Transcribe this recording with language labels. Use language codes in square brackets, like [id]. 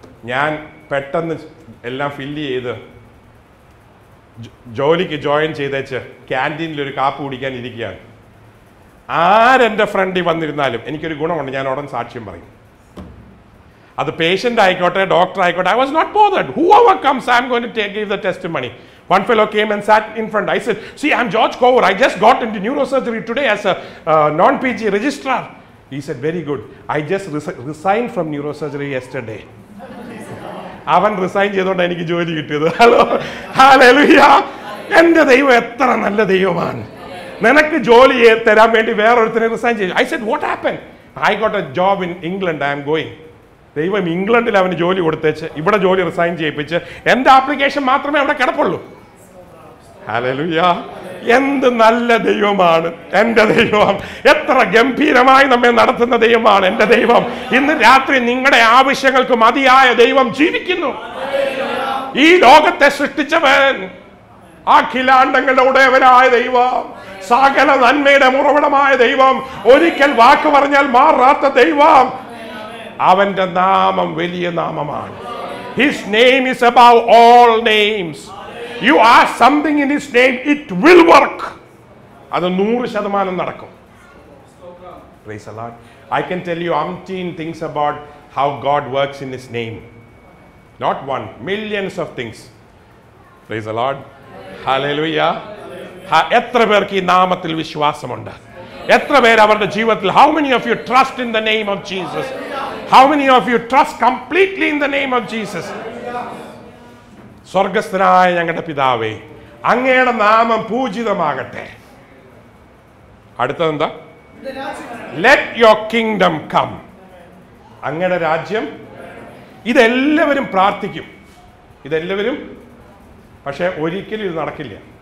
[ml] ഞാൻ പെട്ടെന്ന് എല്ലാം ഫില്ല് ചെയ്ത് ജോലിക്ക് ജോയിൻ ചെയ്തേച്ച് ക്യാൻറ്റീനിൽ ഒരു കാപ്പ് കുടിക്കാൻ ഇരിക്കുകയാണ്. ആരെൻ്റെ ഫ്രണ്ടിൽ വന്നിരുന്നാലും എനിക്കൊരു ഗുണമുണ്ട്, ഞാൻ ഉടൻ സാക്ഷ്യം പറയും. അത് പേഷ്യൻ്റ് ആയിക്കോട്ടെ, ഡോക്ടർ ആയിക്കോട്ടെ, [en] I was not bothered. Whoever comes, I'm going to give the testimony. One fellow came and sat in front. I said, see, I'm George Kovar. I just got into neurosurgery today as a non-PG registrar. He said, very good. I just resigned from neurosurgery yesterday. [ml] അവൻ resign ചെയ്തോണ്ട് എനിക്ക് ജോലി കിട്ടിയത്. Hello, hallelujah. എന്റെ ദൈവം എത്ര നല്ല ദൈവമാണ്. നിനക്ക് ജോലി തരാൻ വേണ്ടി വേറൊരുത്തനെ റിസൈൻ ചെയ്തു. [en] I said what happen, I got a job in England, I am going. [ml] ദൈവം ഇംഗ്ലണ്ടിൽ അവന് ജോലി കൊടുത്തേച്ച് ഇവിടെ ജോലി റിസൈൻ ചെയ്യിപ്പിച്ച് എന്റെ ആപ്ലിക്കേഷൻ മാത്രമേ അവിടെ കിടപ്പുള്ളൂ. ഹല്ലേലൂയ, എന്ത് നല്ല ദൈവമാണ് എന്റെ ദൈവം. എത്ര ഗംഭീരമായി നമ്മെ നടത്തുന്ന ദൈവമാണ് എന്റെ ദൈവം. ഇന്ന് രാത്രി നിങ്ങളുടെ ആവശ്യങ്ങൾക്ക് മതിയായ ദൈവം ജീവിക്കുന്നു. ഈ ലോകത്തെ സൃഷ്ടിച്ചവൻ, അഖിലാണ്ടങ്ങളുടെ ഉടയവനായ ദൈവം, സകല നന്മയുടെ ഉറവിടമായ ദൈവം, ഒരിക്കൽ വാക്ക് പറഞ്ഞാൽ മാറാത്ത ദൈവം. അവന്റെ നാമം വലിയ നാമമാണ്. [en] His name is above all names. You ask something in His name, it will work. [ml] അത് 100% നടക്കും. [en] Praise the Lord. I can tell you umpteen things about how God works in His name. Not one, millions of things. Praise the Lord. Hallelujah. [ml] എത്ര പേർക്ക് ഈ നാമത്തിൽ വിശ്വാസമുണ്ട്? എത്ര പേർ അവരുടെ ജീവിതത്തിൽ, [en] how many of you trust in the name of Jesus? How many of you trust completely in the name of Jesus? [ml] സ്വർഗസ്ഥനായ ഞങ്ങളുടെ പിതാവേ, അങ്ങയുടെ നാമം പൂജിതമാകട്ടെ. അടുത്തതെന്താ? [en] Let your kingdom come. [ml] അങ്ങയുടെ രാജ്യം. ഇതെല്ലാവരും പ്രാർത്ഥിക്കും, ഇതെല്ലാവരും, പക്ഷെ ഒരിക്കലും ഇത് നടക്കില്ല.